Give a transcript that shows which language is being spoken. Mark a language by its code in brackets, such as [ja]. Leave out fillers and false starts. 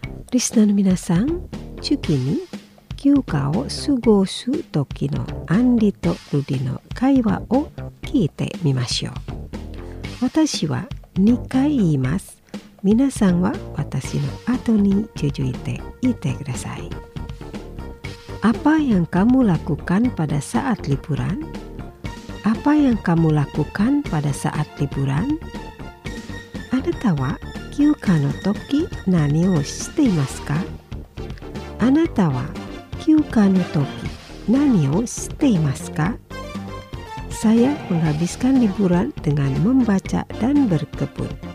[ja] リスナーの皆さん、次に休暇を過ごす時のアンリとルディの会話を聞いてみましょう。私は2回言います。皆さんは私の後に続いて言ってください。 [id] Apa yang kamu lakukan pada saat liburan? Apa yang kamu lakukan pada saat liburan? Ada tawa? [ja] 休暇の時何をしていますか？あなたは休暇の時何をしていますか？ [id] Saya menghabiskan liburan dengan membaca dan berkebun.